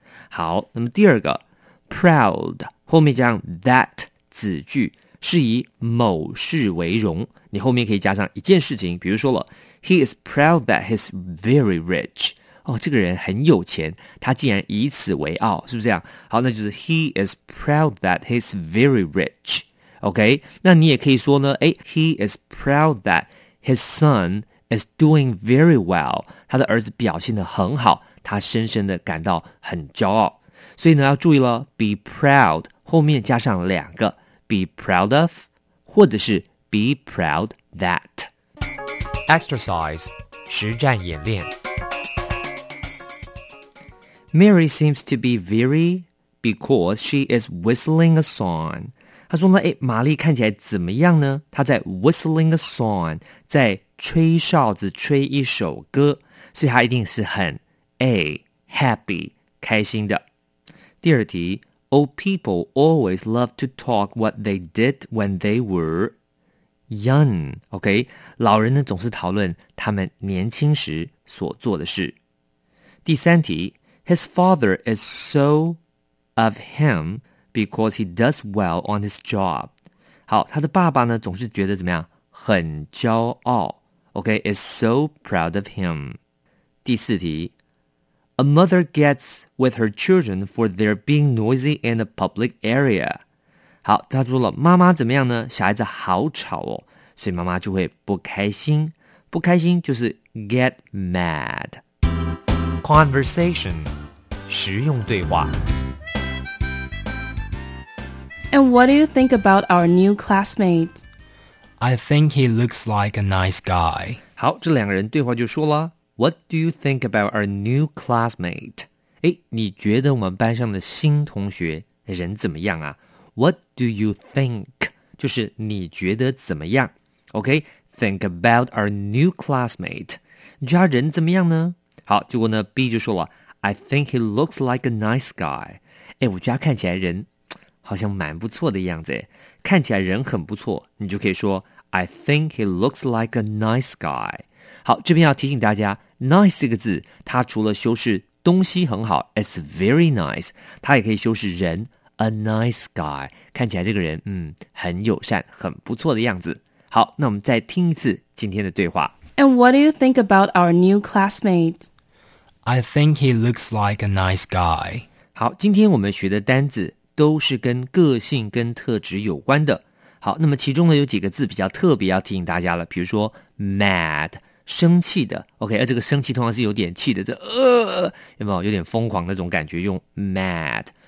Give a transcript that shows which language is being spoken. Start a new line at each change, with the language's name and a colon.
Chinese: 好，那么第二个 proud 后面加上 that 子句，是以某事为荣。你后面可以加上一件事情，比如说了
English: He is proud that he's very rich。
Chinese: 哦，这个人很有钱，他竟然以此为傲，是不是这样？好，那就是
English: He is proud that he's very rich。
Chinese: OK， 那你也可以说呢，诶，
English: He is proud that his son is doing very well，
Chinese: 他的儿子表现得很好，他深深的感到很骄傲。所以呢，要注意了， Be proud 后面加上两个
English: Be proud of,
Chinese: 或者是
English: be proud that.
Chinese: Exercise, 实战演练。
English: Mary seems to be very because she is whistling a song.
Chinese: 她说呢，诶，玛丽看起来怎么样呢？她在
English: whistling a song,
Chinese: 在吹哨子吹一首歌，所以她一定是很 A, happy, 开心的。第二题，
English: Old people always love to talk what they did when they were young.
Chinese: OK, 老人呢总是讨论他们年轻时所做的事。第三题，
English: His father is so of him because he does well on his job.
Chinese: 好，他的爸爸呢总是觉得怎么样，很骄傲。
English: OK, is so proud of him.
Chinese: 第四题，
English: A mother gets with her children for their being noisy in a public area.
Chinese: 好，他说了，妈妈怎么样呢？小孩子好吵哦，所以妈妈就会不开心。不开心就是
English: get mad.
Chinese: Conversation, 实用对话。
English: And what do you think about our new classmate? I think he looks like a nice guy.
Chinese: 好，这两个人对话就说了。
English: What do you think about our new classmate?
Chinese: 诶，你觉得我们班上的新同学人怎么样啊？
English: What do you think?
Chinese: 就是你觉得怎么样？ OK,
English: think about our new classmate.
Chinese: 你觉得他人怎么样呢？好，结果呢 B 就说了，
English: I think he looks like a nice guy.
Chinese: 诶，我觉得他看起来人好像蛮不错的样子，看起来人很不错，你就可以说
English: I think he looks like a nice guy。
Chinese: 好，这边要提醒大家 ，nice 这个字，它除了修饰东西很好 ，
English: it's very nice，
Chinese: 它也可以修饰人 ，
English: a nice guy，
Chinese: 看起来这个人，很友善，很不错的样子。好，那我们再听一次今天的对话。
English: And what do you think about our new classmate? I think he looks like a nice guy.
Chinese: 好，今天我们学的单字都是跟个性跟特质有关的。好，那么其中呢有几个字比较特别要提醒大家了，比如说 mad。生气的 OK， 而这个生气通常是有点气的，这有没有有点疯狂那种感觉，用 mad。